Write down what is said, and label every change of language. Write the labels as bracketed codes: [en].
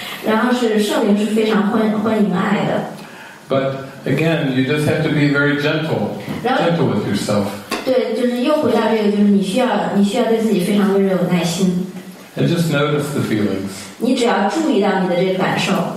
[zh] 然后是圣灵是非常欢迎爱的。 [en] But again, you just have to be very gentle, gentle with yourself. [zh] 对，就是又回到这个，就是你需要对自己非常温柔有耐心。 [en] And just notice the feelings. [zh] 你只要注意到你的这个感受。